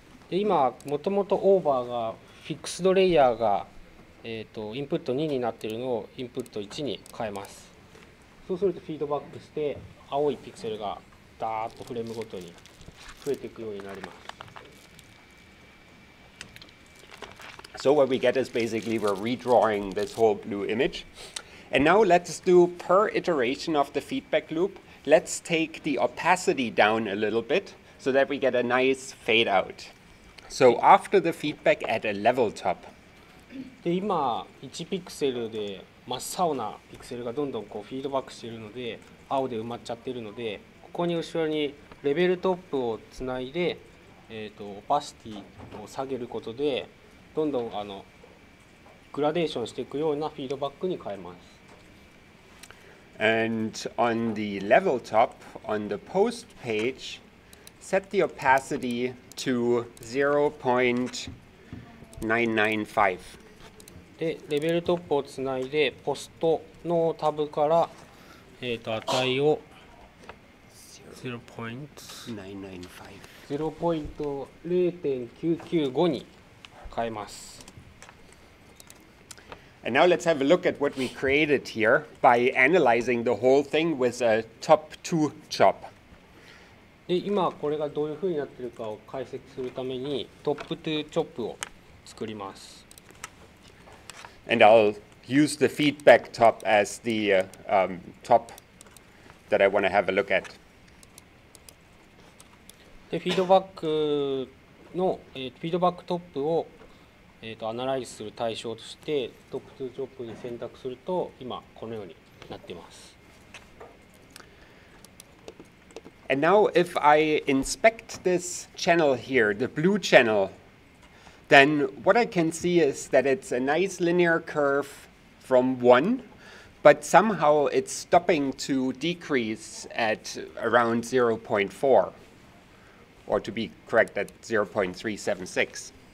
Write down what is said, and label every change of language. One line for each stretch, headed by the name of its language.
Japanese: で今もともとオーバーがフィックスドレイヤーが、インプット2になっているのをインプット1に変えます。そうするとフィードバックして青いピクセルがダーッとフレームごとに増えていくようになります。
English: So what we get is basically we're redrawing this whole blue image. And now let's do per iteration of the feedback loop. Let's take the opacity down a little bit so that we get a nice fade out. So after the feedback, at a level top.
Japanese: で今1ピクセルで真っ青なピクセルがどんどんこうフィードバックしているので青で埋まっちゃってるのでここに後ろにレベルトップをつないで、オパシティを下げることでどんどんあのグラデーションしていくようなフィードバックに変えます。
English: And on the level top, on the post page, set the opacity to 0.995.
Japanese: で、レベルトップをつないで、ポストのタブから、値を0.995 に変えます。
English: And now let's have a look at what we created here by analyzing the whole thing with a top two chop.
Japanese: で、今これがどういうふうになってるかを解析するためにトップトゥーチョップを作ります。
English: And I'll use the feedback top as the top that I want to have a look at.
Japanese: で、フィードバックの、フィードバックトップをアナライズする対象としてトップトゥーチョップに選択すると今このようになっています。
English: And now if I inspect this channel here, the blue channel, then what I can see is that it's a nice linear curve from 1, but somehow it's stopping to decrease at around 0.4, or to be correct at 0.376.